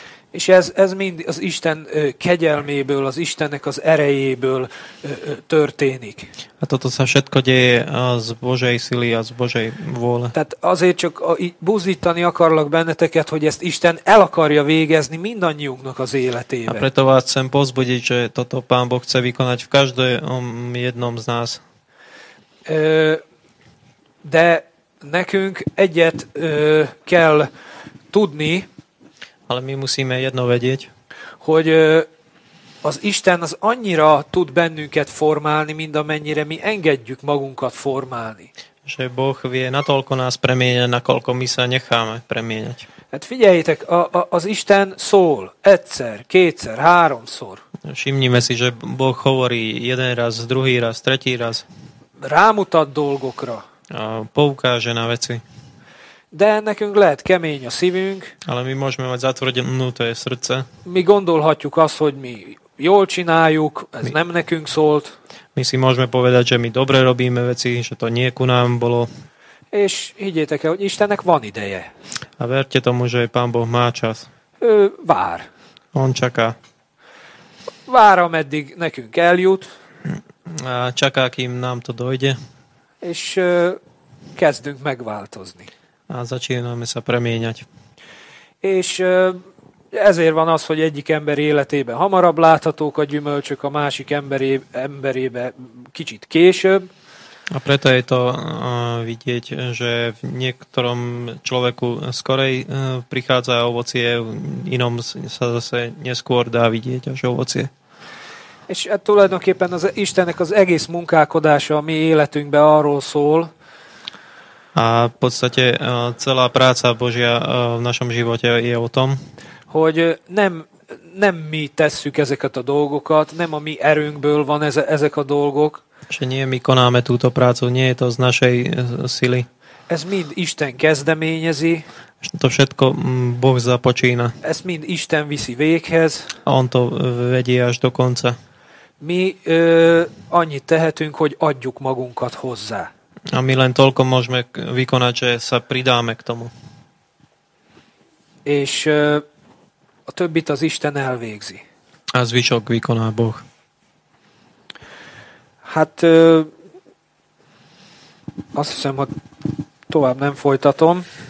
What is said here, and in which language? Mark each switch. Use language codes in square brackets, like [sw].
[hu] És ez mind az Isten kegyelméből, az Istennek az erejéből történik. [sk] A toto sa všetko deje z Božej sily a z Božej vôle. [hu] Tehát azért csak buzdítani akarlak benneteket, hogy ezt Isten el akarja végezni mindannyiunknak az életében. [sk] A preto vás chcem pozbudiť, že toto Pán Boh chce vykonať v každom jednom z nás. [hu] De nekünk egyet kell tudni, [sk] ale mi musíme jedno vedieť, [hu] hogy az Isten az annyira tud bennünket formálni, mint amennyire mi engedjük magunkat formálni. [sk] Že Boh vie natoľko nás premieňať, nakoľko my sa necháme premieňať. [hu] Hát figyeljétek, az Isten szól egyszer, kétszer, háromszor. [sk] Všimnime si, že Boh hovorí jeden raz, druhý raz, tretí raz. [hu] Rámutat dolgokra. [sk] Poukáže na veci. [hu] De nekünk lehet kemény a szívünk. [sk] Ale mi môžeme mať zatvrdenuté srdce. [hu] Mi gondolhatjuk azt, hogy mi jól csináljuk, ez nem nekünk szólt. [sk] My si môžeme povedať, že my dobre robíme veci, že to nie ku nám bolo. [hu] És higgyétek el, hogy Istennek van ideje. [sk] A verte tomu, že Pán Boh má čas. [hu] Ő vár. [sk] On čaká. [hu] Vár, ameddig nekünk eljut. [sk] A čaká, kým nám to dojde. [hu] És kezdünk megváltozni. [sk] A začínáme sa premieňať. [hu] És ezért van az, hogy egyik ember életében hamarabb láthatók a gyümölcsök, a másik emberében kicsit később. [sk] A preto je to vidieť, že v niektorom človeku skorej prichádza ovocie, inom sa zase neskôr dá vidieť až ovocie. [hu] És tulajdonképpen az Istennek az egész munkálkodása a mi életünkben arról szól. [sk] A v podstate celá práca Božia v našom živote je o tom, [hu] hogy nem, nem mi tesszük ezeket a dolgokat, nem a mi erőnkből van ezek a dolgok. [sk] Že nie my konáme túto prácu, nie je to z našej sily. [hu] Ez mind Isten kezdeményezi. [sk] To všetko Boh započína. [hu] Ez mind Isten viszi véghez. [sk] A on to vedie až do konca. [hu] Mi annyit tehetünk, hogy adjuk magunkat hozzá. [sk] A mi len toľko môžeme vykonať, že sa pridáme k tomu. [hu] És a többit az Isten elvégzi. [sk] A zvyšok vykoná Boh. [hu] Hát azt hiszem, hogy tovább nem folytatom.